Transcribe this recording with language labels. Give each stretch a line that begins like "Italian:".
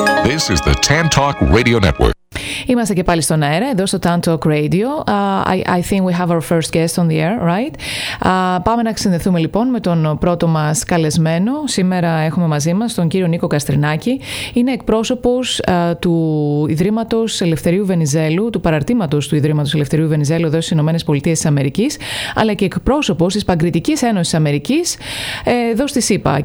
English: This is the Tantalk Radio Network.
Greek: Είμαστε και πάλι στον αέρα, εδώ στο Tantalk Radio.
English: I think we have our first guest on the air, right?
Greek: Πάμε να συνδεθούμε λοιπόν με τον πρώτο μας καλεσμένο. Σήμερα έχουμε μαζί μας τον κύριο Νίκο Καστρινάκη. Είναι εκπρόσωπος του Ιδρύματος Ελευθερίου Βενιζέλου, του παραρτήματος του Ιδρύματος Ελευθερίου Βενιζέλου εδώ στις Ηνωμένες Πολιτείες της Αμερικής, αλλά και εκπρόσωπος της Παγκριτικής Ένωσης Αμερικής εδώ στη ΣΥΠΑ.